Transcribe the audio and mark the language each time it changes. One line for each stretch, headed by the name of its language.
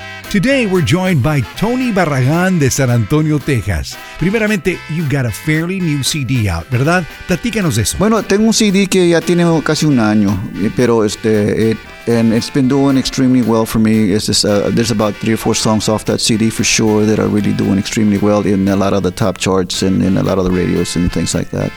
English: Today, we're joined by Tony Barragán de San Antonio, Texas. Primeramente, you've got a fairly new CD out,
Spanish: ¿verdad? Platícanos eso. Bueno, tengo un CD que ya tiene casi un año, pero
English: and it's been doing extremely well for me. It's just, there's about 3 or 4 songs off that CD for sure that are really doing extremely well in a lot of the top charts and in a lot of the radios and things like that.